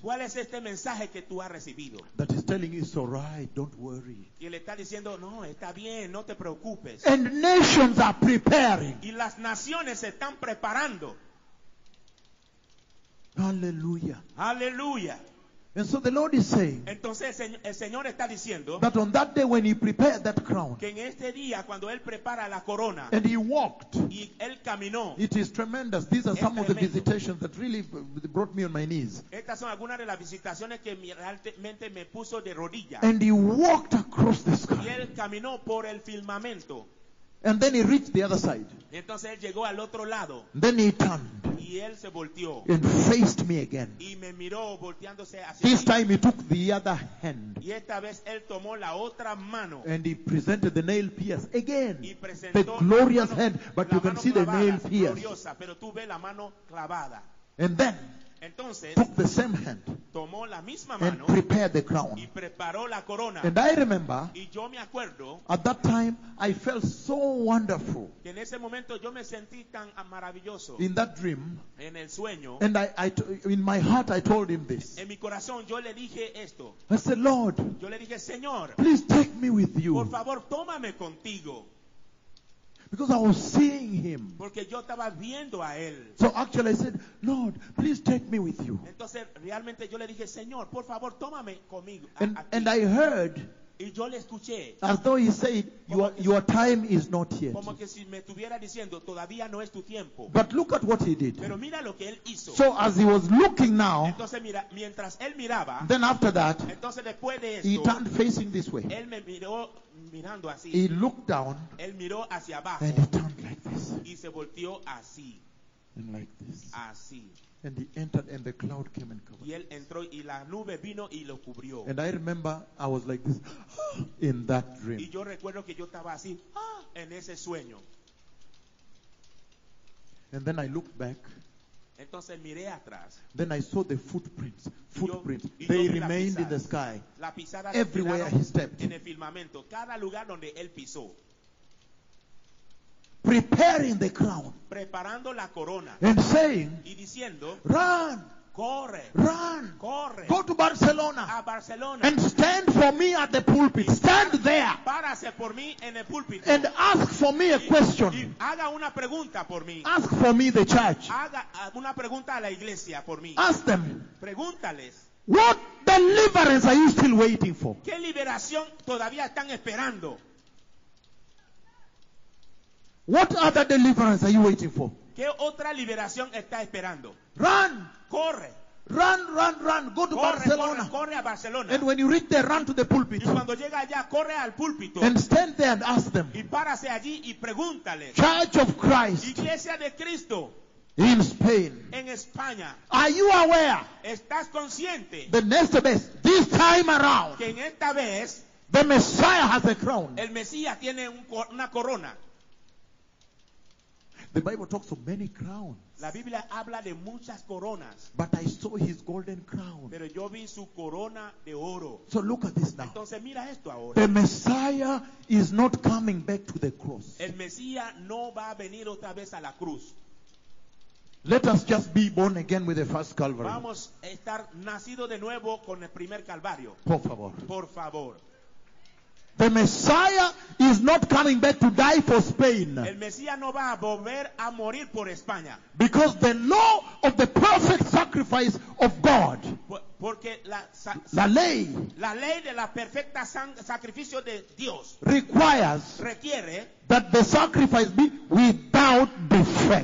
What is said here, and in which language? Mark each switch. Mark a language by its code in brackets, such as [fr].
[es] ¿Cuál es este mensaje que tú has recibido? [en] That is telling you it's all right, don't worry. [es] Y le está diciendo, no, está bien, no te preocupes. [en] And nations are preparing. [es] Y las naciones se están preparando. [en] Hallelujah. [es] Hallelujah. [en] And so the Lord is saying, [es] entonces el Señor está diciendo, [en] that on that day when he prepared that crown, [es] que en este día cuando él prepara la corona, [en] and he walked, [es] y él caminó, [en] it is tremendous. These are some [es] tremendo [en] of the visitations that really brought me on my knees. [es] Estas son algunas de las visitaciones que realmente me puso de rodillas. [en] And he walked across the sky. [es] Y él caminó por el firmamento. [en] And then he reached the other side. [es] Entonces él llegó al otro lado. [en] Then he turned. [es] Y él se volteó. [en] And faced me again. [es] Y me miró volteándose hacia [en] this [es] mí. [en] Time he took the other hand. [es] Y esta vez él tomó la otra mano. [en] And he presented the nail pierce again. [es] Y presentó [en] the glorious [es] la mano, [en] hand. But you can see [es] clavada, [en] the nail pierce. [es] Gloriosa, pero tú ves la mano clavada. [en] And then. [es] Entonces, [en] took the same hand. [es] Tomó la misma [en] and [es] mano, [en] prepared the crown. [es] Y preparó la corona. [en] And I remember. [es] Y yo me acuerdo, [en] at that time I felt so wonderful. [es] Que en ese momento yo me sentí tan maravilloso. [en] In that dream. [es] En el sueño. [en] And in my heart I told him this. [es] En mi corazón yo le dije esto. [en] I said, Lord. [es] Yo le dije, Señor. [en] Please take me with you. [es] Por favor, tómame contigo. [en] Because I was seeing him. [es] Porque yo estaba viendo a él. [en] So actually I said, Lord, please take me with you. [es] Entonces realmente yo le dije, Señor, por favor, tómame conmigo. [en] And I heard, [es] y yo le escuché, [en] as though he said, your time is not yet. [es] Como que si me estuviera diciendo, todavía no es tu tiempo. [en] But look at what he did. [es] Pero mira lo que él hizo. [en] So as he was looking now, [es] entonces mira, mientras él miraba, [en] then after that, [es] entonces después de esto, [en] he turned facing this way. [es] Él me miró mirando así. [en] He looked down, [es] él miró hacia abajo, [en] and he turned like this. [es] Y se volteó así. [en] And like this. [es] Así. [en] And he entered and the cloud came and covered. [es] Y él entró y la nube vino y lo cubrió. [en] And I remember I was like this in that dream. [es] Y yo recuerdo que yo estaba así en ese sueño. [en] And then I looked back. [es] Entonces miré atrás. [en] Then I saw the footprints. Footprints. They remained in the sky. [es] La pisada [en] everywhere he stepped. [es] En el firmamento, cada lugar donde él pisó. [en] Preparing the crown. [es] Preparando la corona. [en] And saying. [es] Y diciendo. [en] Run. [es] Corre. [en] Run. [es] Corre. [en] Go to Barcelona. [es] A Barcelona. [en] And stand for me at the pulpit. Stand there. [es] Párase por mí en el púlpito. [en] And ask for me a question. [es] Y haga una pregunta por mí. [en] Ask for me the church. [es] Haga una pregunta a la iglesia por mí. [en] Ask them. [es] Pregúntales. [en] What deliverance are you still waiting for? [es] ¿Qué liberación todavía están esperando? [en] What other deliverance are you waiting for? [es] ¿Qué otra liberación está esperando? [en] Run! [es] Corre! [en] Run, run, run! Go to [es] corre, [en] Barcelona. [es] Corre a Barcelona. [en] And when you reach there, run to the pulpit. [es] Y cuando llega allá, corre al púlpito. [en] And stand there and ask them. [es] Y párase allí y pregúntale. [en] Church of Christ. [es] Iglesia de Cristo. [en] In Spain. [es] En España. [en] Are you aware? [es] ¿Estás consciente? [en] The next best, this time around. [es] Que en esta vez, [en] the Messiah has a crown. [es] El Mesías tiene una corona. [en] The Bible talks of many crowns. [es] La Biblia habla de muchas coronas. [en] But I saw his golden crown. [es] Pero yo vi su corona de oro. [en] So look at this now. [es] Entonces mira esto ahora. [en] The Messiah is not coming back to the cross. [es] El Mesías no va a venir otra vez a la cruz. [en] Let us just be born again with the first Calvary. [es] Vamos a estar nacido de nuevo con el primer Calvario. Por favor. Por favor. [en] The Messiah is not coming back to die for Spain. [es] El Mesías no va a volver a morir por España. [en] Because the law of the perfect sacrifice of God. [es] Porque la, la ley. La ley de la perfecta sacrificio de Dios. Requires. Requiere. [en] That the sacrifice be without defect.